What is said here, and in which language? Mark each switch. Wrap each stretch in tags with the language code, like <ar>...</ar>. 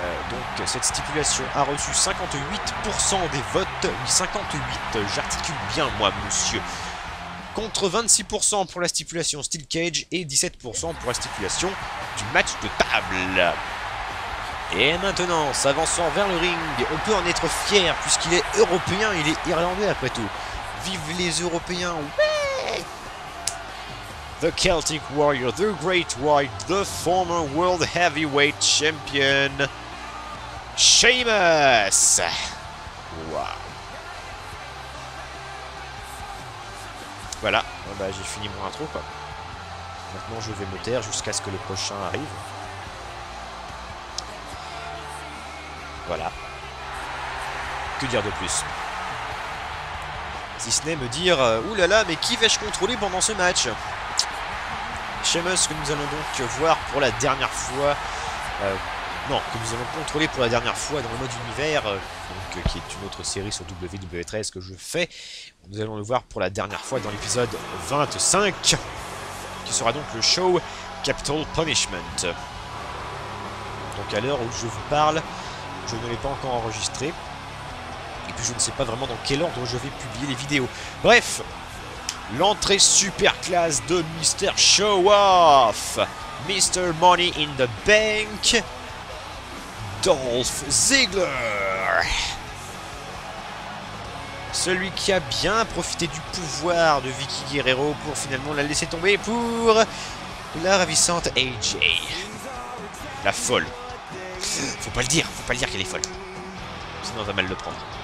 <fr>Donc cette stipulation a reçu 58% des votes, 58, j'articule bien moi monsieur, contre 26% pour la stipulation Steel Cage et 17% pour la stipulation du match de table. Et maintenant, s'avançant vers le ring, on peut en être fier puisqu'il est européen, il est irlandais après tout. Vive les Européens, ouais!</fr> <en>The Celtic Warrior, the Great White, the former World Heavyweight Champion, Sheamus. Wow.</en> <fr>Voilà, bah, j'ai fini mon intro quoi. Maintenant je vais me taire jusqu'à ce que le prochain arrive. Voilà. Que dire de plus? Si ce n'est me dire, oulala, mais qui vais-je contrôler pendant ce match? Sheamus que nous allons donc voir pour la dernière fois. Que nous allons contrôler pour la dernière fois dans le mode univers, qui est une autre série sur WW13 que je fais. Nous allons le voir pour la dernière fois dans l'épisode 25, qui sera donc le show Capital Punishment. Donc à l'heure où je vous parle, je ne l'ai pas encore enregistré. Et puis je ne sais pas vraiment dans quel ordre je vais publier les vidéos. Bref, l'entrée super classe de Mr. Show Off, Mr. Money in the Bank, Dolph Ziggler. Celui qui a bien profité du pouvoir de Vicky Guerrero pour finalement la laisser tomber pour la ravissante AJ. La folle. Faut pas le dire qu'elle est folle. Sinon on va mal le prendre.</fr>